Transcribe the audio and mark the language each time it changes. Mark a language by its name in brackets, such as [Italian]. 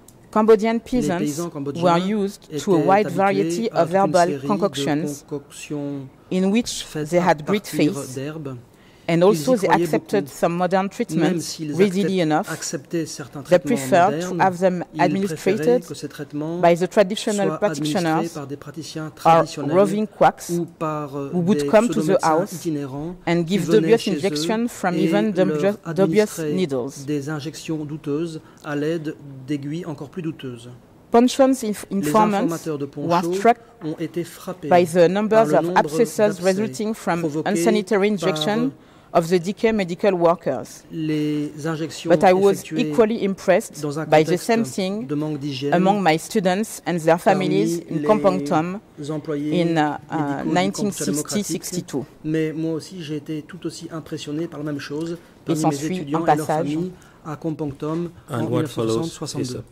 [English] Cambodian peasants were used to a wide variety of herbal concoctions in which they had great faith, and also they accepted some modern treatments readily enough. They preferred to have them administered by the traditional practitioners or roving quacks who would come to the house and give dubious injections from even dubious needles. [French] Des injections douteuses à l'aide d'aiguilles encore plus douteuses. [English] Ponchon's informants were struck by the numbers of abscesses resulting from unsanitary injection of the DK medical workers. [French] Les injections [English] but I was equally impressed by the same thing among my students and their families in Kampong Thom in 1960-62. [French] Mais moi aussi j'ai été tout aussi impressionné par la même chose parmi mes étudiants et leurs familles à Kampong Thom en 1962.